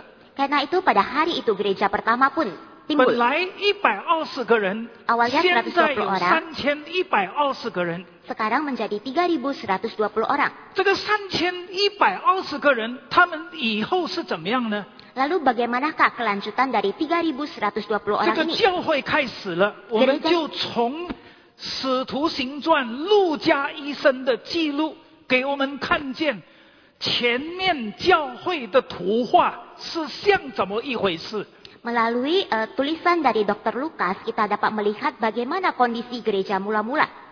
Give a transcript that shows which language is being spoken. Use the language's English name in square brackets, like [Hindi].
[Indonesian] karena itu pada hari itu gereja pertama pun timur. [Chinese] 本来120个人, [Indonesian] awalnya 120 orang. [Chinese] 3120个人. [Indonesian] Sekarang menjadi 3120 orang. [Chinese] 这个3120个人, 他们以后是怎么样呢? [Indonesian] Lalu bagaimanakah kelanjutan dari 3120 orang ini? [Chinese] 这个教会开始了, 我们就从 使徒行传路加医生的记录给我们看见前面教会的图画是像怎么一回事。 [Indonesian] Melalui tulisan dari Dr. Lukas, kita dapat melihat bagaimana kondisi gereja mula-mula.